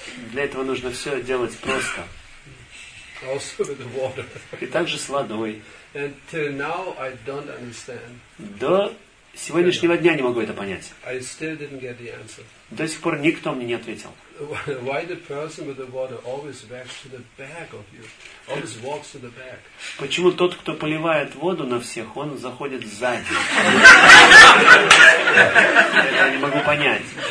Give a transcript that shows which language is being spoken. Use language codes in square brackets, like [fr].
[ru] Для этого нужно все делать просто. [en] Also with water. [ru] И также с водой. [en] And till now I don't understand. [ru] До сегодняшнего дня не могу это понять. [en] I still didn't get the answer. [ru] До сих пор никто мне не ответил. [en] Why the person with the water always backs to the back of you? Always walks to the back. [ru] Почему тот, кто поливает воду на всех, он заходит сзади? Я не могу понять.